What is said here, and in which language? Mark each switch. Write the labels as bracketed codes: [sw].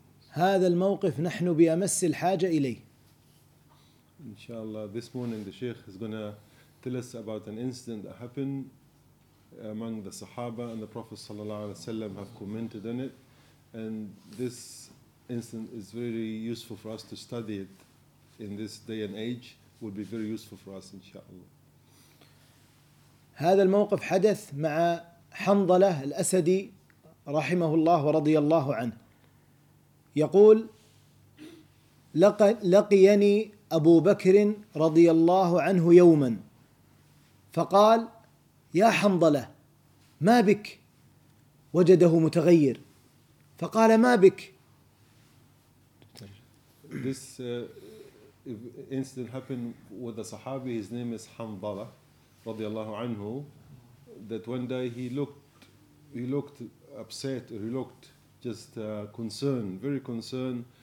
[ar] هذا الموقف نحن بأمس الحاجة إليه. إن شاء الله. [en] This morning the Sheikh is gonna tell us about an incident that happened among the Sahaba and the Prophet صلى الله عليه وسلم have commented on it, and this incident is very useful for us to study it in this day and age. Would be very useful for us, إن شاء الله. [ar] هذا الموقف حدث مع حنظلة الأسدي رحمه الله ورضي الله عنه. يقول لقيني أبو بكر رضي الله عنه يوما فقال يا حنظلة ما بك؟ وجده متغير فقال ما بك؟ [en] This incident happened with a Sahabi, his name is Hanzala رضي الله عنه, that one day he looked upset, or he looked just concerned, very concerned.